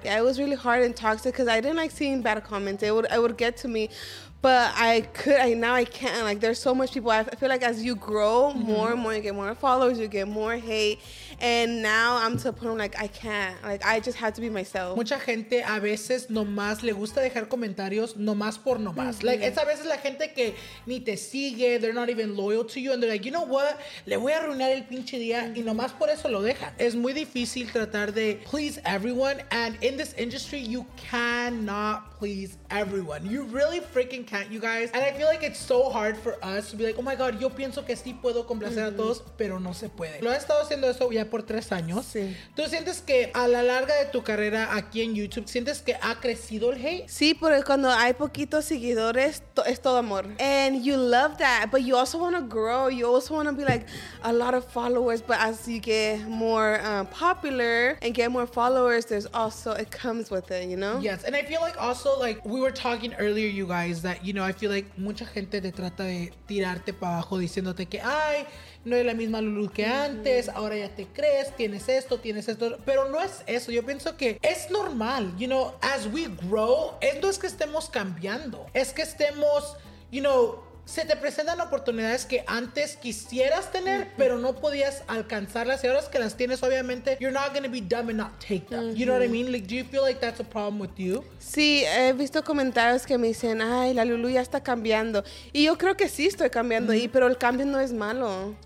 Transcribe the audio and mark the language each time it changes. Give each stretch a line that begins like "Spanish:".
English: Yeah, it was really hard and toxic because I didn't like seeing bad comments. It would get to me. But I can't. Like, there's so much people. I feel like as you grow more and more, you get more followers, you get more hate. And now I'm to a point where, like, I can't. Like, I just have to be myself.
Spanish: Mucha gente a veces nomás le gusta dejar comentarios nomás por nomás. Mm-hmm.
English: Like, it's
Spanish: a veces la gente que ni te sigue,
English: they're not even loyal to you. And they're like, you know what?
Spanish: Le voy a arruinar el pinche día. Y nomás por eso lo deja. Es muy difícil tratar de
English: please everyone. And in this industry, you cannot please everyone. You really freaking can't, you guys. And I feel like it's so hard for us to be like, oh my God,
Spanish: yo pienso que sí puedo complacer a todos, pero no se puede. Lo has estado haciendo eso ya por 3 años. Sí. ¿Tú sientes que a la larga de tu carrera aquí en YouTube, sientes que ha crecido el hate? Sí, porque cuando hay poquitos seguidores, es todo amor.
English: And you love that, but you also want to grow. You also want to be like a lot of followers, but as you get more popular and get more followers, there's also, it comes with it, you know? Yes, and I feel like
Spanish: also, like, we were talking earlier, you guys, that, you know, I feel like mucha gente te trata de tirarte para abajo diciéndote que, ay, no es la misma Lulu que antes, ahora ya te crees, tienes esto, pero no es eso. Yo pienso que es normal,
English: you know, as we grow,
Spanish: no es que estemos cambiando, es que estemos, you know, se te presentan oportunidades que antes quisieras tener, pero no podías alcanzarlas. Y ahora es que las tienes, obviamente,
English: you're not going to be dumb and not take them. You know what I mean? Like, do you feel like that's a problem with you?
Spanish: Sí, he visto comentarios que me dicen, ay, la Lulu ya está cambiando. Y yo creo que sí estoy cambiando ahí, pero el cambio no es malo.